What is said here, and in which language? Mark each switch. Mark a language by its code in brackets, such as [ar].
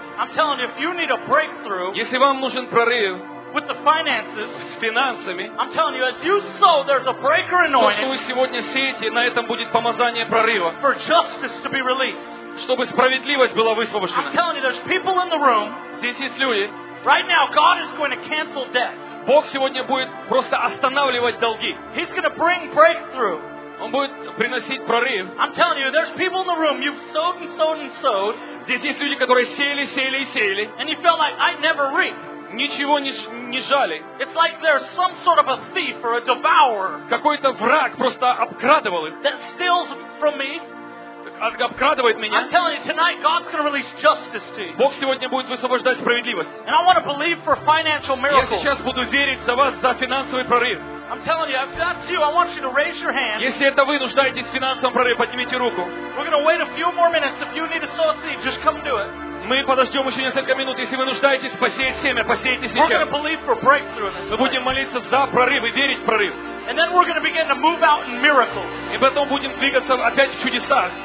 [en] I'm telling you, if you need a breakthrough. [ru] Если вам нужен прорыв. [en] With the finances. [ru] С финансами. [en] I'm telling you, as you sow, there's a breaker anointing. [ru] То, что вы сегодня сеете, на этом будет помазание прорыва. [en] For justice to be released. [ru] Чтобы справедливость была высвобождена. [en] I'm telling you, there's people in the room. [ru] Здесь есть люди. [en] Right now, God is going to cancel debt. [ru] Бог сегодня будет просто останавливать долги. [en] He's going to bring breakthrough. [ru] Он будет приносить прорыв. [en] I'm telling you, there's people in the room. You've sowed and sowed and sowed. [ru] Здесь есть люди, которые сеяли, сеяли и сеяли. [en] And you feel like I never reap. [ru] Ничего не жали. [en] It's like there's some sort of a thief or a devourer. [ru] Какой-то враг просто обкрадывал их. [en] That steals from me. [ru] Обкрадывает меня. [en] I'm telling you, tonight God's going to release justice to you. [ru] Бог сегодня будет высвобождать справедливость. [en] And I want to believe for financial miracles. [ru] Я сейчас буду верить за вас за финансовый прорыв. [en] I'm telling you, if that's you, I want you to raise your hand. [ru] Если это вы нуждаетесь в финансовом прорыве, поднимите руку. [en] We're going to wait a few more minutes. If you need to sow a seed, just come do it. [ru] Мы подождем еще несколько минут. Если вы нуждаетесь посеять семя, посеете сейчас. [en] We're going to believe for breakthrough in this. [ru] Мы будем молиться за прорыв и верить в прорыв. [en] And then we're going to begin to move out in miracles. [ru] И потом будем двигаться опять в чудесах.